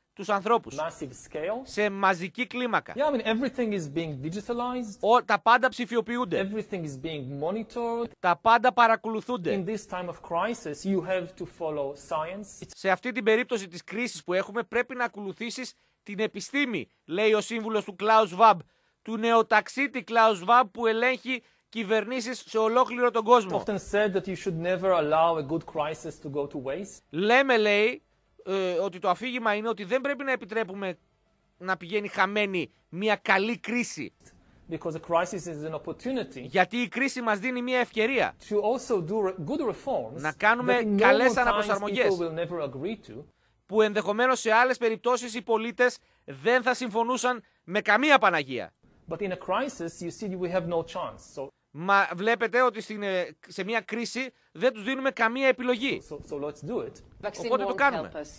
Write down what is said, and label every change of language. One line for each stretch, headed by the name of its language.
Greek: τους ανθρώπους σε μαζική κλίμακα.
English: Yeah, I mean, everything is being digitalized.
Greek: Τα πάντα ψηφιοποιούνται.
English: Everything is being monitored.
Greek: Τα πάντα παρακολουθούνται.
English: In this time of crisis, you have to follow science.
Greek: Σε αυτή την περίπτωση της κρίσης που έχουμε, πρέπει να ακολουθήσεις την επιστήμη, λέει ο σύμβουλος του Klaus Schwab, του νεοταξίτη Klaus Schwab που ελέγχει κυβερνήσεις σε ολόκληρο τον κόσμο.
English: Often said that you should never allow a good crisis to go to waste.
Greek: Λέμε, λέει, ότι το αφήγημα είναι ότι δεν πρέπει να επιτρέπουμε να πηγαίνει χαμένη μια καλή κρίση.
English: Because a crisis is an opportunity.
Greek: Γιατί η κρίση μας δίνει μια ευκαιρία
English: to also do good reforms,
Greek: να κάνουμε καλές αναπροσαρμογές
English: people will never agree to.
Greek: Που ενδεχομένως σε άλλες περιπτώσεις οι πολίτες δεν θα συμφωνούσαν με καμία Παναγία.
English: But in a crisis, you see, we have no chance. So...
Greek: Μα βλέπετε ότι σε μια κρίση δεν τους δίνουμε καμία επιλογή. Οπότε το κάνουμε.